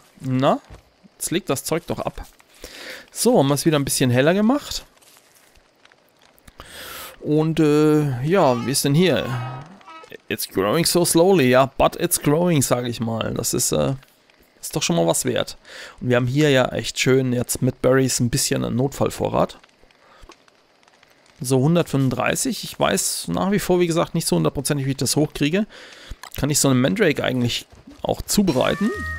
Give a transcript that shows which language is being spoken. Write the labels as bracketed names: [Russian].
[German] Na, jetzt legt das Zeug doch ab. So, haben wir es wieder ein bisschen heller gemacht. Und, ja, wie ist denn hier? [English] It's growing so slowly, ja, but it's growing, [German] sage ich mal. Das ist, ist doch schon mal was wert. Und wir haben hier ja echt schön jetzt mit Berries ein bisschen einen Notfallvorrat. So 135. Ich weiß nach wie vor, wie gesagt, nicht so hundertprozentig, wie ich das hochkriege. Kann ich so einen Mandrake eigentlich auch zubereiten?